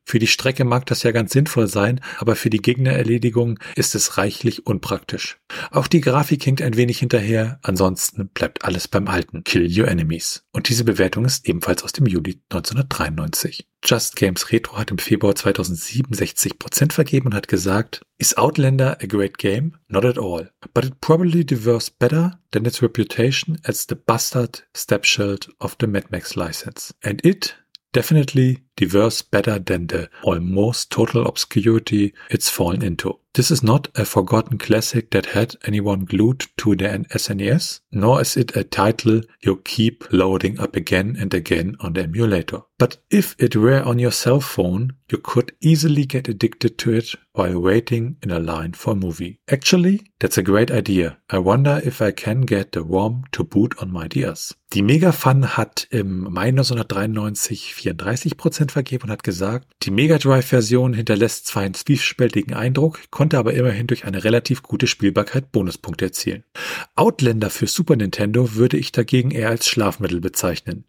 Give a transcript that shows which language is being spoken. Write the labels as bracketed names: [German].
[German] Für die Strecke mag das ja ganz sinnvoll sein, aber für die Gegnererledigung ist es reichlich unpraktisch. Auch die Grafik hinkt ein wenig hinterher, ansonsten bleibt alles beim Alten. Kill Your Enemies. Und diese Bewertung ist ebenfalls aus dem Juli 1993. Just Games Retro hat im Februar 2007 60% vergeben und hat gesagt, [English] Is Outlander a great game? Not at all. But it probably deserves better than its reputation as the bastard stepchild of the Mad Max license. And it definitely deserves better than the almost total obscurity it's fallen into. This is not a forgotten classic that had anyone glued to the SNES, nor is it a title you keep loading up again and again on the emulator. But if it were on your cell phone, you could easily get addicted to it while waiting in a line for a movie. Actually, that's a great idea. I wonder if I can get the ROM to boot on my DS. [German] Die Megafun hat im Mai 1993 34% vergeben und hat gesagt, die Mega Drive-Version hinterlässt zwar einen zwiespältigen Eindruck, konnte aber immerhin durch eine relativ gute Spielbarkeit Bonuspunkte erzielen. Outlander für Super Nintendo würde ich dagegen eher als Schlafmittel bezeichnen.